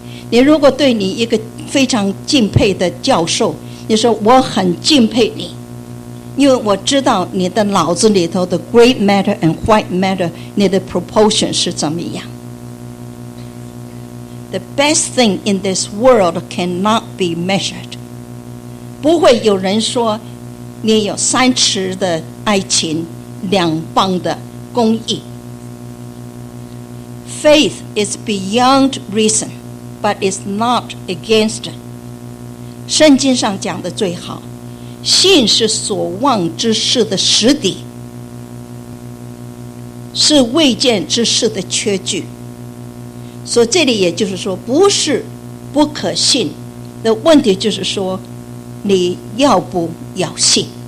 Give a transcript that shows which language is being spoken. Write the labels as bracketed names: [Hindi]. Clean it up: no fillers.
[Chinese] 你如果对你一个非常敬佩的教授，你说我很敬佩你，因为我知道你的脑子里头的 [English] gray matter and white matter， [Chinese] 你的 proportion 是怎么样。 [English] The best thing in this world cannot be measured。 [Chinese] 不会有人说你有3尺的爱情，2磅的公义。 [English] Faith is beyond reason, but it's not against it. [Chinese] 圣经上讲的最好，信是所望之事的实底，是未见之事的确据。所以这里也就是说，不是不可信，的问题就是说，你要不要信。